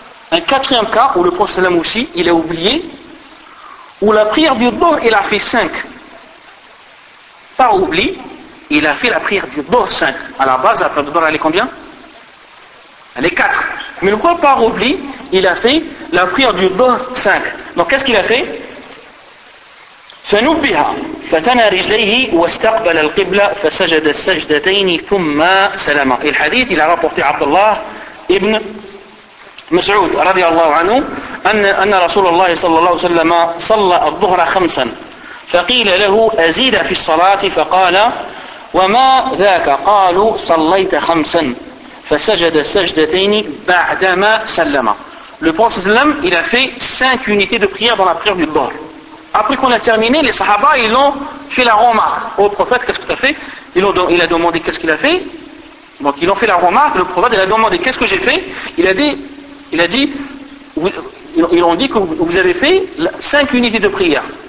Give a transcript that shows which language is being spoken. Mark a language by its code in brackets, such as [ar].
[fr] Un quatrième cas où le Prophète aussi, il a oublié, où la prière du Dhuhr, il a fait 5. Pas oubli, il a fait la prière du Dhuhr 5. À la base, la prière du Dhuhr, elle est combien? Elle est 4. Mais le Prophète, par oubli, il a fait la prière du Dhuhr 5. Donc qu'est-ce qu'il a fait? [ar] فنبه فثنى رجليه واستقبل القبلة فسجد السجدتين ثم سلم. الحديث إلى رابورتي عبد الله ابن مسعود رضي الله عنه أن رسول الله صلى الله عليه وسلم صلى الظهر خمسا فقيل له أزيد في الصلاة فقال وما ذاك قالوا صليت خمسا فسجد السجدتين بعدما سلم. [fr] Le prophète sallam, il a fait 5 unités de prière dans la prière du dhuhr. Après qu'on a terminé, les sahaba, ils ont fait la remarque au prophète, qu'est-ce que tu as fait? Il a demandé qu'est-ce qu'il a fait. Donc ils ont fait la remarque, le prophète, il a demandé qu'est-ce que j'ai fait. Ils ont dit que vous avez fait 5 unités de prière.